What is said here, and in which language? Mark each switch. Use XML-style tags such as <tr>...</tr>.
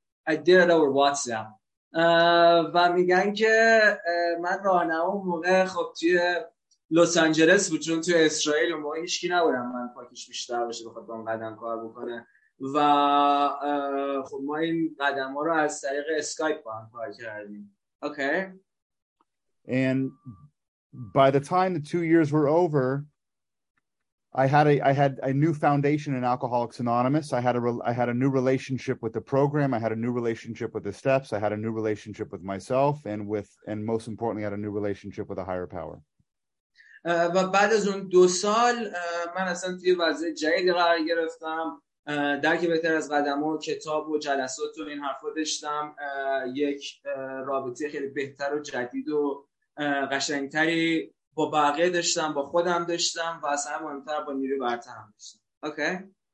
<en>I did it over WhatsApp</en> <fa>و میگن که من راهنما اون موقع خب توی لس آنجلس بود چون توی اسرائیل اون موقع هیچکی نبودم من پاکش بیشتر باشه بخواد با اون قدم کار بکنه و خب ما این قدم ها رو از طریق اسکایپ با هم کار کردیم اوکی</fa> <en>and by the time the 2 years were over I had a new foundation in Alcoholics Anonymous. I had a new relationship with the program. I had a new relationship with the steps. I had a new relationship with myself and most importantly, I had a new relationship with a higher power.</en> <fa>و بعد از اون 2 سال من اصلا توی وضعیت جدید قرار گرفتم. درک بهتر از قدم‌ها و کتاب و جلسات و این حرفا داشتم. یک رابطه خیلی بهتر و جدید و قشنگتری با بقیه داشتم با خودم داشتم و اصلا مهمتر با نیروی برتر هم داشتم اوکی</fa>